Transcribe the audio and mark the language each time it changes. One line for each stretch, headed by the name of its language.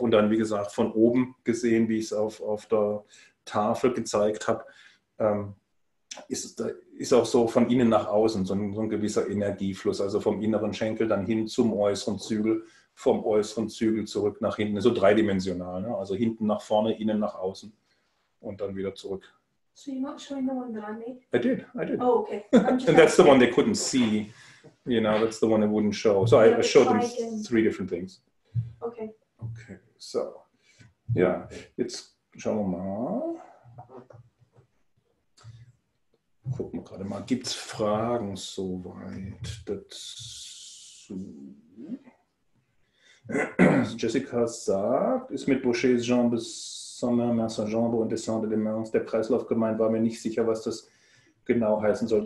German: Und dann, wie gesagt, von oben gesehen, wie ich es auf der Tafel gezeigt habe, ist auch so von innen nach außen so ein gewisser Energiefluss, also vom inneren Schenkel dann hin zum äußeren Zügel, vom äußeren Zügel zurück nach hinten, so dreidimensional, ne? Also hinten nach vorne, innen nach außen und dann wieder zurück.
English: So you're not showing the one that I made? I did. Oh, okay. And that's the one they couldn't see, you know, that's the one they wouldn't show. So I showed them three different things. Okay,
German: so, yeah, jetzt schauen wir mal. Gucken wir gerade mal, gibt es Fragen soweit dazu? Jessica sagt, ist mit Boucher's Jambes Sommer, Massage Jambe und Descente de Mains der Kreislauf gemeint, war mir nicht sicher, was das genau heißen soll.